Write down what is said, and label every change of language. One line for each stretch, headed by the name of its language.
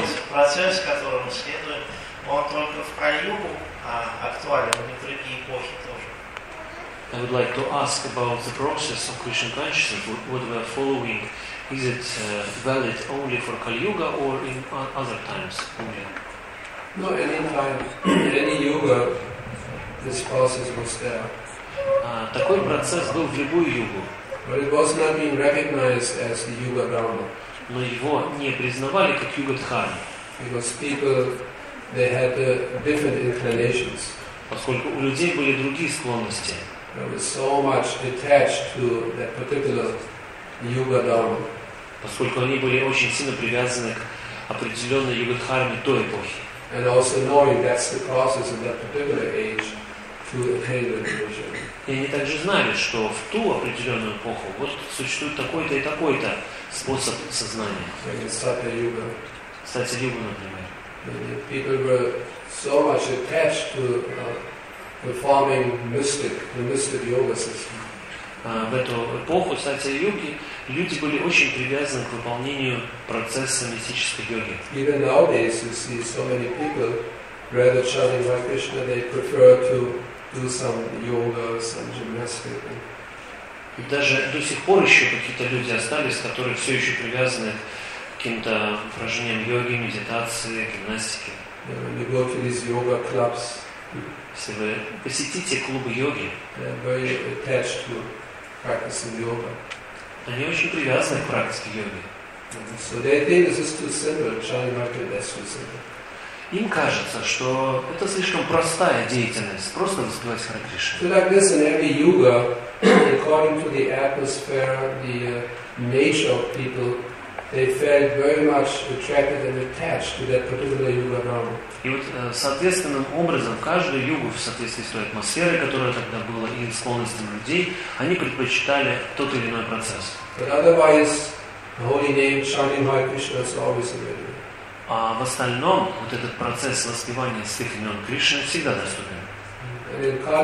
Russian: Процесс, которому следует, он только в Кали-югу актуален, но и в другие эпохи тоже.
English: I would like to ask about the process of Krishna consciousness, what we are following. Is it valid only for Kali-yuga or in other times only? No, any time, any yuga, this process was there.
Russian: Такой процесс был в любую югу.
English: But it was not being recognized as the Yuga Dharma.
Russian: Но его не признавали как Юга-дхарму.
English: Because people, they had different inclinations.
Russian: Поскольку у людей были другие склонности.
English: There was so much attached to that particular Yuga Dharma.
Russian: Поскольку они были очень сильно привязаны к определенной Юга-дхарме той эпохи.
English: And also knowing that's the process in that particular age to attain the religion.
Russian: И они также знали, что в ту определенную эпоху вот существует такой-то и такой-то способ сознания. Сатья-юга. Сатья-юга, например.
English: People were so much attached to performing mystic yoga system.
Russian: В эту эпоху сатья-юги люди были очень привязаны к выполнению процесса мистической йоги.
English: Even nowadays, you see so many people rather chanting Hare Krishna, they prefer to do some yoga, some gymnastics.
Russian: Даже до сих пор еще какие-то люди остались, которые все еще привязаны к каким-то упражнениям йоги, медитации, гимнастики.
English: When you go to these yoga clubs,
Russian: если вы посетите клубы йоги,
English: very attached to practicing yoga.
Russian: Они очень привязаны к практике йоги.
English: So they think this is too simple. Chanting Hare Krishna is too simple.
Russian: Им кажется, что это слишком простая деятельность, просто воспевать Харе Кришну.
English: So like this in every yuga, according to the atmosphere, the nature of people, they felt very much attracted and attached to that particular yuga dharma.
Russian: И вот соответственным образом каждую югу в соответствии с той атмосферой, которая тогда была, и склонностями людей, они предпочитали тот или иной процесс.
English: But otherwise, the holy name chanting Hare Krishna is always available.
Russian: А в остальном, вот этот процесс воспевания святых имен Кришны всегда доступен.